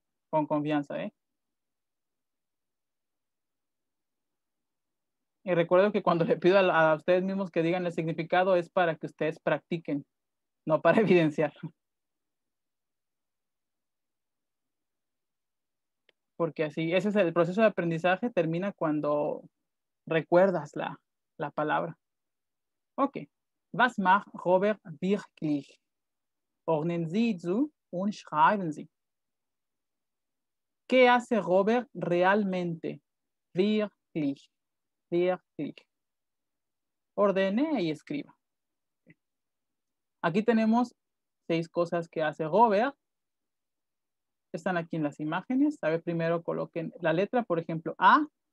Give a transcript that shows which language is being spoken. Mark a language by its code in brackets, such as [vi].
[es] Con confianza, Y recuerdo que cuando le pido a ustedes mismos que digan el significado es para que ustedes practiquen, no para evidenciar. porque así, ese es el proceso de aprendizaje, termina cuando recuerdas la palabra. Ok. [de] Was macht Robert wirklich? Ordnen Sie zu und schreiben Sie. [es] ¿Qué hace Robert realmente? [de] Wirklich. Wirklich. [es] Ordene y escriba. Aquí tenemos 6 cosas que hace Robert. Están aquí en las imágenes. A ver, primero coloquen la letra, por ejemplo, A.